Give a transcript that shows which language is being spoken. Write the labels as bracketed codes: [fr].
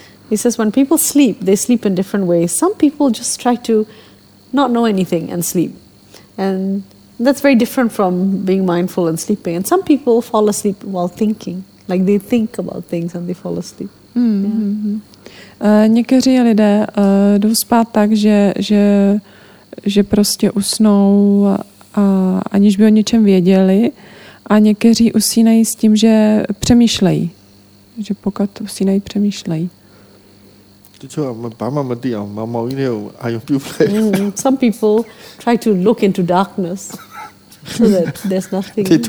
[en] He says when people sleep, they sleep in different ways. Some people just try to not know anything and sleep. And that's very different from being mindful and sleeping. And some people fall asleep while thinking. Like they think about things and they fall asleep. [cs] Někteří lidé jdou spát tak, že prostě usnou, aniž by o něčem věděli. A někteří usínají s tím, že přemýšlejí. Že pokud usínají, přemýšlejí. [en] Some people try to look into darkness so that there's nothing.